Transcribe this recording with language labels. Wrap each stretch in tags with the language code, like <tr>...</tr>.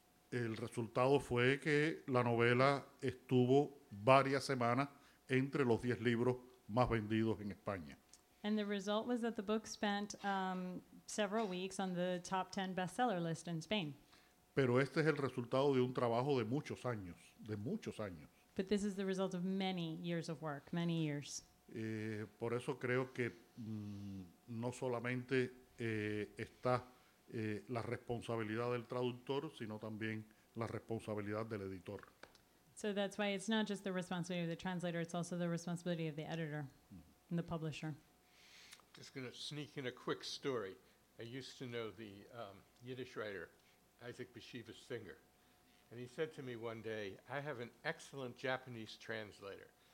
<es>El resultado fue que la novela estuvo varias semanas entre los 10 libros más vendidos en España.</es> <en>And the result was that the book spent several weeks on the top 10 bestseller list in Spain.</en> <es>Pero este es el resultado de un trabajo de muchos años, de muchos años.</es> <en>But this is the result of many years of work, many years.</en> <es>Por eso creo que no solamente está la responsabilidad del traductor, sino también la responsabilidad del editor.</es> <en>So that's why it's not just the responsibility of the translator, it's also the responsibility of the editor and the publisher. Just going to sneak in a quick story. I used to know the Yiddish writer, Isaac Bashevis Singer. And he said to me one day, I have an excellent Japanese translator.</en>